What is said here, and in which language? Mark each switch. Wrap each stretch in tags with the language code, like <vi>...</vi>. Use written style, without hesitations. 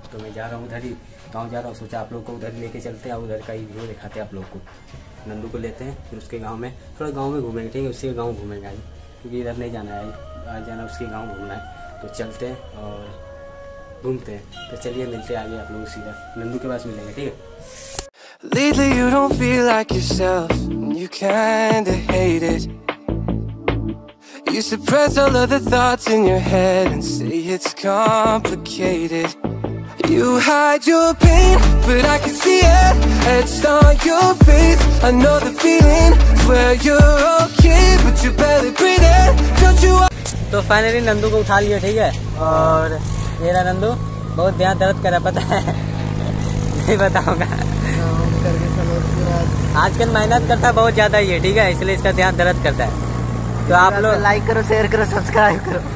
<hi>तो मैं जा रहा हूँ उधर ही गांव जा रहा हूँ, सोचा आप लोग को उधर लेके चलते हैं, उधर का ही व्यू दिखाते हैं आप लोग को। नंदू को लेते हैं फिर उसके गांव में, थोड़ा गांव में घूमेंगे, ठीक है, उसके गांव घूमेंगे आज, क्योंकि इधर नहीं जाना है, आज जाना उसके गाँव घूमना है। तो चलते हैं और घूमते हैं। तो चलिए मिलते हैं आगे आप लोग, सीधा नंदू के पास मिलेंगे, ठीक है।</hi> <en>Lately you don't feel like yourself and you kinda hate it. You suppress all of the thoughts in your head and say it's complicated. You hide your pain, but I can see it etched on your face. I know the feeling, swear you're okay, but you're barely breathing. Don't you?</en> <hi>तो finally Nandu को उठा लिया, ठीक है, और मेरा नंदू बहुत ध्यान दर्द कर रहा, पता है नहीं बताऊंगा आजकल मेहनत करता है बहुत ज्यादा ये, ठीक है, इसलिए इसका ध्यान दर्द करता है। तो आप लोग लाइक करो, शेयर करो, सब्सक्राइब करो।</hi>